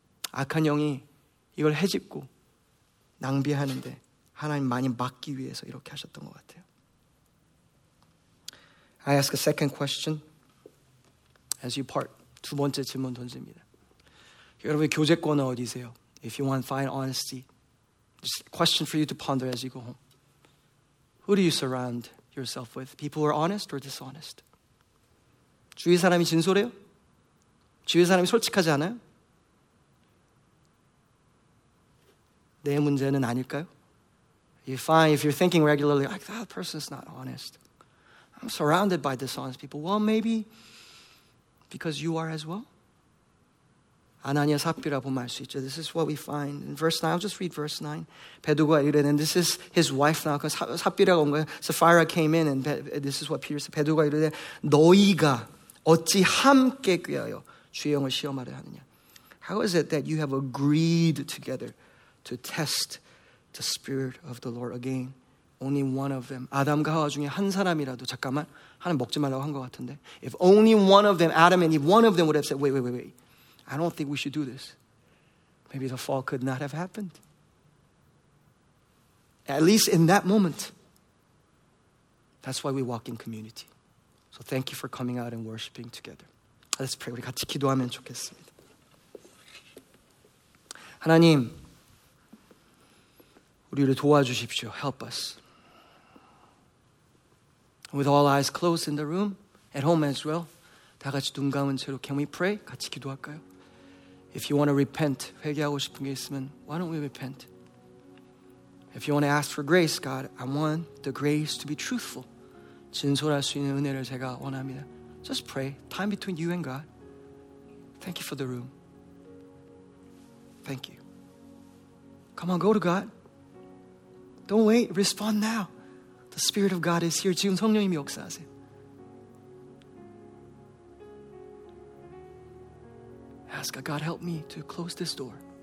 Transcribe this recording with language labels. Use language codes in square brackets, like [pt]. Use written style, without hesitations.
[ko] 악한 영이 이걸 헤집고 낭비하는데 하나님 많이 막기 위해서 이렇게 하셨던 것 같아요. [en] I ask a second question as you part. [ko] 두 번째 질문 던집니다. 여러분의 교제권은 어디세요? [en] If you want fine honesty, just a question for you to ponder as you go home. Who do you surround yourself with? People who are honest or dishonest? [ko] 주위 사람이 진솔해요? 주위 사람이 솔직하지 않아요? 내 문제는 아닐까요? [en] You find, if you're thinking regularly, like, that person is not honest. I'm surrounded by dishonest people. Well, maybe because you are as well. [ko] 아나니아 삽비라 보면 알 수 있죠. [en] This is what we find in verse 9. I'll just read verse 9. [ko] 베드로가 이르되, [en] and this is his wife now. [ko] 삽비라가 온 거예요. [en] Sapphira came in, and this is what Peter said. [ko] 베드로가 이르되, 너희가 어찌 함께 꾀하여 주의 영을 시험하려 하느냐. [en] How is it that you have agreed together to test the spirit of the Lord again? Only one of them. [ko] 아담과 하와 중에 한 사람이라도 잠깐만 하나님 먹지 말라고 한 것 같은데. [en] If only one of them, Adam and Eve, one of them would have said, wait. I don't think we should do this. Maybe the fall could not have happened. At least in that moment. That's why we walk in community. So thank you for coming out and worshiping together. Let's pray. [ko] 우리 같이 기도하면 좋겠습니다. 하나님, 우리를 도와주십시오. [en] Help us. With all eyes closed in the room, at home as well, [ko] 다 같이 눈 감은 채로 [en] can we pray? [ko] 같이 기도할까요? [en] If you want to repent, [ko] 회개하고 싶은 게 있으면, [en] why don't we repent? If you want to ask for grace, God, I want the grace to be truthful. [ko] 진솔할 수 있는 은혜를 제가 원합니다. [en] Just pray. Time between you and God. Thank you for the room. Thank you. Come on, go to God. Don't wait. Respond now. The Spirit of God is here. [ko] 지금 성령님이 역사하세요. [en] Ask God, help me to close this door.